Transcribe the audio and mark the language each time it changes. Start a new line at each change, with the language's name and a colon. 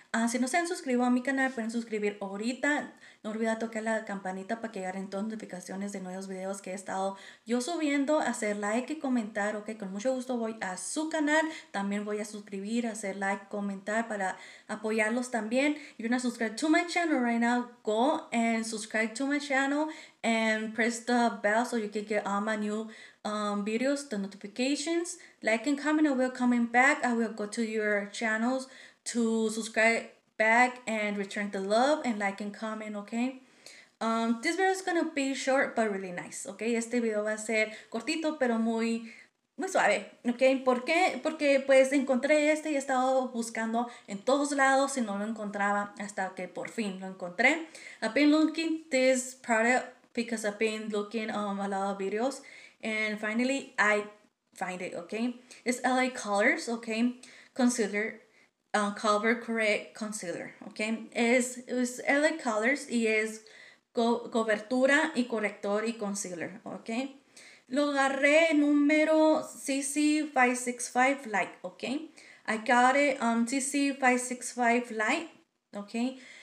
Spanish: Si no se han suscrito a mi canal, pueden suscribir ahorita. No olviden tocar la campanita para que lleguen todas las notificaciones de nuevos videos que he estado yo subiendo. Hacer like y comentar, ok, con mucho gusto voy a su canal. También voy a suscribir, hacer like, comentar para apoyarlos también.
English: If you're not subscribed to my channel right now, go and subscribe to my channel and press the bell so you can get all my new videos, the notifications. Like and comment, I will comment back. I will go to your channels to subscribe back and return the love and like and comment, okay? This video is gonna be short but really nice, okay?
Spanish: Este video va a ser cortito pero muy, muy suave, okay? ¿Por qué? Porque pues encontré este y he estado buscando en todos lados y no lo encontraba hasta que por fin lo encontré.
English: I've been looking this product because I've been looking a lot of videos and finally I find it, okay? It's LA Colors, okay? Consider Cover Correct Concealer,
Spanish: ok, es LA Colors y es cobertura y corrector y concealer, ok, lo agarré número CC565 Light, ok,
English: I got it CC565 Light,
Spanish: ok,